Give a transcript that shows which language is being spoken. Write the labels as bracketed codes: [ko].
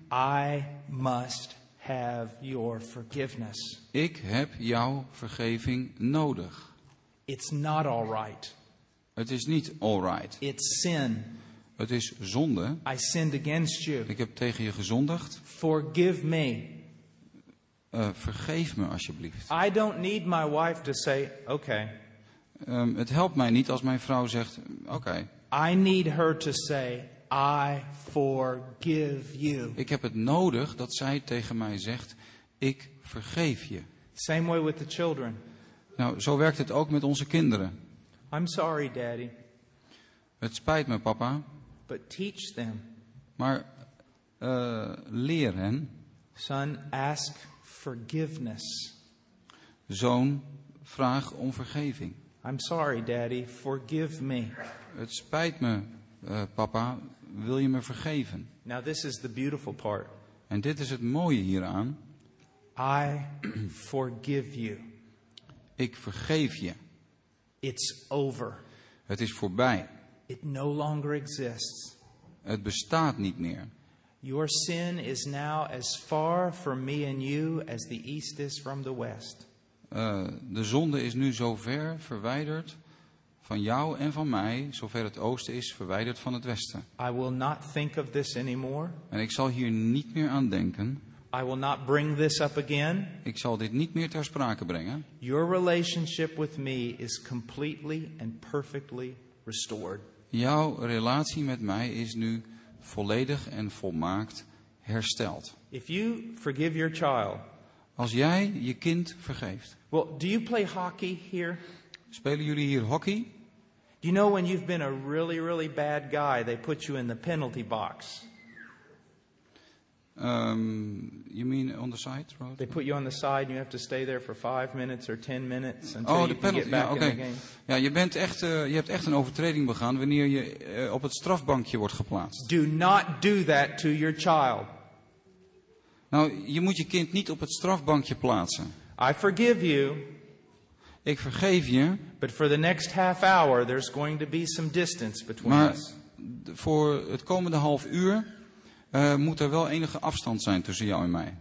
[en] I must have your forgiveness. [nl] Ik heb jouw vergeving nodig. [en] It's not all right. [nl] Het is niet all right. [en] It's sin. [nl] Het is zonde. [en] I sinned against you. [nl] Ik heb tegen je gezondigd. [en] Forgive me. [nl] Vergeef me alsjeblieft. [en] I don't need my wife to say, okay. [nl] Het helpt mij niet als mijn vrouw zegt, okay. [en] I need her to say, I forgive you. [nl] Ik heb het nodig dat zij tegen mij zegt, ik vergeef je. [en] Same way with the children. [nl] Nou, zo werkt het ook met onze kinderen. [en] I'm sorry, daddy. [nl] Het spijt me, papa. [en] But teach them. [nl] Maar leer hen. [en] Son, ask forgiveness. [nl] Zoon, vraag om vergeving. [en] I'm sorry, daddy. Forgive me. [nl] Het spijt me, papa. Wil je me vergeven? [en] Now this is the beautiful part. [nl] En dit is het mooie hieraan. [en] I forgive you. [nl] Ik vergeef je. [en] It's over. [nl] Het is voorbij. [en] It no longer exists. [nl] Het bestaat niet meer. [en] Your sin is now as far from me and you as the east is from the west. [nl] De zonde is nu zo ver verwijderd van jou en van mij, zover het oosten is, verwijderd van het westen. [en] I will not think of this anymore. [nl] En ik zal hier niet meer aan denken. [en] I will not bring this up again. [nl] Ik zal dit niet meer ter sprake brengen. [en] Your relationship with me is completely and perfectly restored. [nl] Jouw relatie met mij is nu volledig en volmaakt hersteld. [en] If you forgive your child, [nl] als jij je kind vergeeft. [en] Well, do you play hockey here? [nl] Spelen jullie hier hockey? [en] Do you know when you've been a really, really bad guy, they put you in the penalty box? You mean on the side? Right? They put you on the side and you have to stay there for 5 minutes or 10 minutes until you can get back okay. In the game. [nl] Ja, je hebt echt een overtreding begaan wanneer je op het strafbankje wordt geplaatst. [en] Do not do that to your child. [nl] Nou, je moet je kind niet op het strafbankje plaatsen. [en] I forgive you. [nl] Ik vergeef je. [en] But for the next half hour there's going to be some distance between [nl] maar [en] us. [nl] Voor het komende half uur moet er wel enige afstand zijn tussen jou en mij.